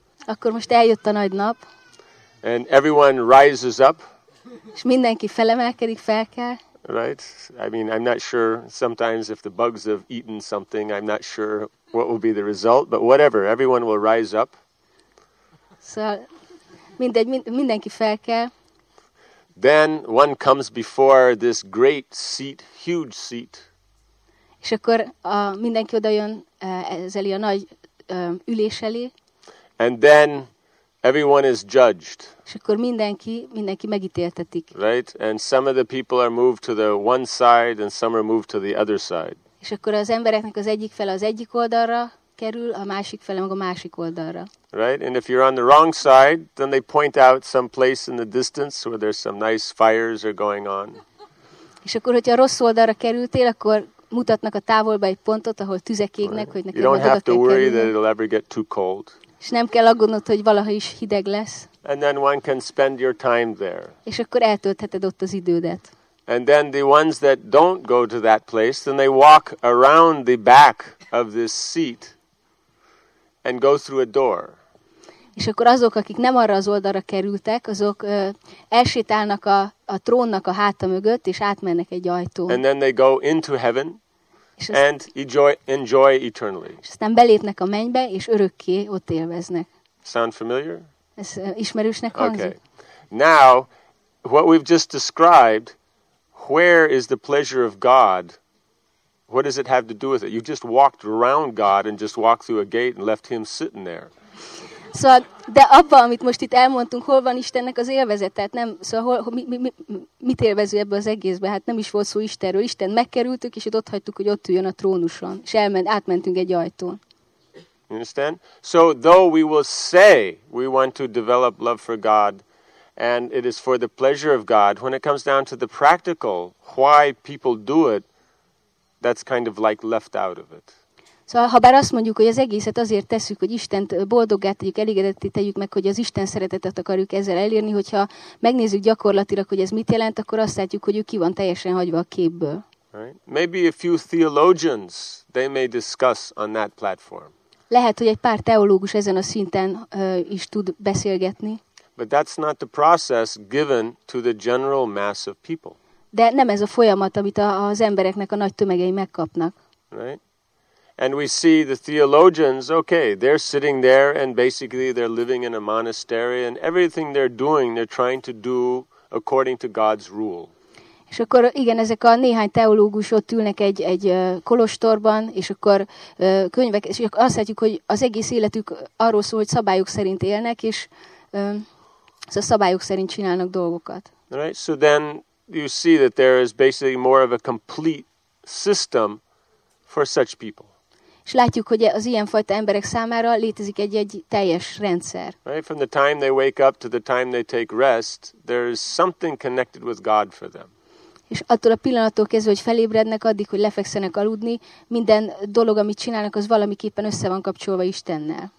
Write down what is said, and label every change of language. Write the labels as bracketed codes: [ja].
[hu] Akkor most eljött a nagy nap. [en] And everyone rises up. [hu] És mindenki felemelkedik, fel kell. [en] Right? I mean, I'm not sure sometimes if the bugs have eaten something, I'm not sure what will be the result, but whatever, everyone will rise up. [hu] Szóval mindegy, mindenki fel kell. [en] Then one comes before this great seat, huge seat. [hu] És akkor mindenki oda jön ez elé a nagy ülés elé. [en] And then everyone is judged. [hu] És akkor mindenki megítéltetik. [en] Right? And some of the people are moved to the one side and some are moved to the other side. [hu] És akkor az embereknek az egyik fele az egyik oldalra kerül, a másik fele meg a másik oldalra. [en] Right? And if you're on the wrong side, then they point out some place in the distance where there's some nice fires are going on. [hu] És akkor, hogyha a rossz oldalra kerültél, akkor mutatnak a távolba egy pontot, ahol tüzek égnek, right, hogy neked oda kell kerülni. [en] That it'll ever get too cold. [hu] És nem kell aggódnod, hogy valaha is hideg lesz. [en] And then one can spend your time there. [hu] És akkor eltöltheted ott az idődet. [en] And then the ones that don't go to that place, then they walk around the back of this seat and go through a door. [hu] És akkor azok, akik nem arra az oldalra kerültek, azok elsétálnak a trónnak a háta mögött, és átmennek egy ajtón. [en] And then they go into heaven and enjoy eternally. [hu] És aztán belépnek a mennybe, és örökké ott élveznek. [en] Sound familiar? [hu] Ez ismerősnek hangzik. [en] Okay. Now, what we've just described, where is the pleasure of God? What does it have to do with it? You just walked around God and just walked through a gate and left him sitting there. [hu] Szóval, de abban, amit most itt elmondtunk, hol van Istennek az élvezete? Nem, szóval, mit élvező ebbe az egészbe? Hát nem is volt szó Istenről. Isten megkerültük, és ott hagytuk, hogy ott üljön a trónuson. És átmentünk egy ajtón. [en] You understand? So, though we will say we want to develop love for God, and it is for the pleasure of God, when it comes down to the practical, why people do it, that's kind of like left out of it. [hu] Szóval, ha bár azt mondjuk, hogy az egészet azért tesszük, hogy Istent boldoggá tegyük, elégedetté tegyük meg, hogy az Isten szeretetet akarjuk ezzel elérni, hogyha megnézzük gyakorlatilag, hogy ez mit jelent, akkor azt látjuk, hogy ő ki van teljesen hagyva a képből. [en] Right. Maybe a few theologians, they may discuss on that platform. [hu] Lehet, hogy egy pár teológus ezen a szinten is tud beszélgetni. [en] But that's not the process given to the general mass of people. [hu] De nem ez a folyamat, amit az embereknek a nagy tömegei megkapnak. [en] Right. And we see the theologians, okay, they're sitting there and basically they're living in a monastery and everything they're doing, they're trying to do according to God's rule. [hu] És akkor igen, ezek a néhány teológus ott ülnek egy kolostorban, és akkor könyvek, és akkor azt látjuk, hogy az egész életük arról szól, hogy szabályok szerint élnek, és szóval szabályok szerint csinálnak dolgokat. [en] Right, so then you see that there is basically more of a complete system for such people. [hu] És látjuk, hogy az ilyen fajta emberek számára létezik egy teljes rendszer. [en] Right, from the time they wake up to the time they take rest, there is something connected with God for them. [hu] És attól a pillanattól kezdve, hogy felébrednek, addig, hogy lefekszenek aludni, minden dolog, amit csinálnak, az valamiképpen össze van kapcsolva Istennel.